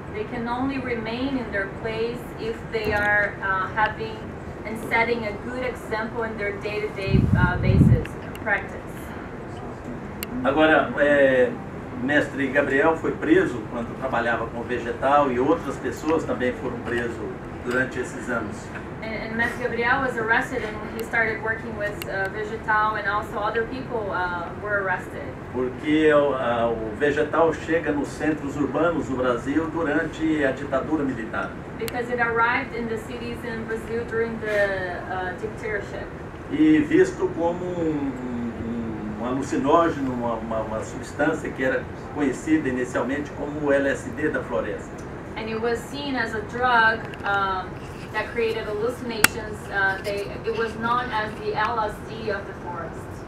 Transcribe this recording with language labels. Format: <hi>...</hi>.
<en>They can only remain in their place if they are having and setting a good example in their day-to-day basis practice.</en> <pt>Agora, Mestre Gabriel foi preso quando trabalhava com vegetal e outras pessoas também foram presas durante esses anos.</pt> <en>And Mestre Gabriel was arrested and he started working with vegetal and also other people were arrested.</en> <pt>Porque o vegetal chega nos centros urbanos do Brasil durante a ditadura militar.</pt> <en>Because it arrived in the cities in Brazil during the dictatorship.</en> <pt>E visto como um alucinógeno, uma substância que era conhecida inicialmente como o LSD da floresta.</pt> <en>And it was seen as a drug that created hallucinations. It was known as the LSD of the forest.</en>